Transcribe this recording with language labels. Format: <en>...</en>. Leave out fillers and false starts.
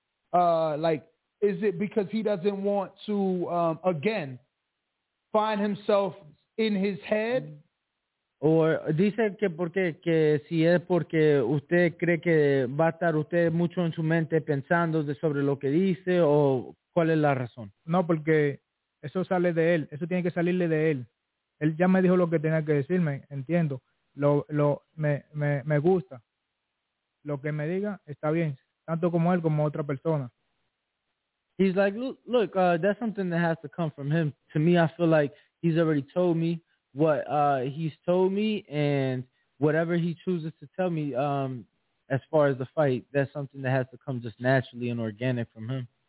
<en>Porque is it because he doesn't want to again find himself in his head?</en> <es>O dice que porque que si es porque usted cree que va a estar usted mucho en su mente pensando sobre lo que dice o cuál es la razón. No, porque eso sale de él, eso tiene que salirle de él. Él ya me dijo lo que tenía que decirme, entiendo. Me gusta. Lo que me diga está bien, tanto como él como otra persona.</es> <en>He's like, look, that's something that has to come from him. To me, I feel like he's already told me what he's told me, and whatever he chooses to tell me as far as the fight, that's something that has to come just naturally and organic from him.</en>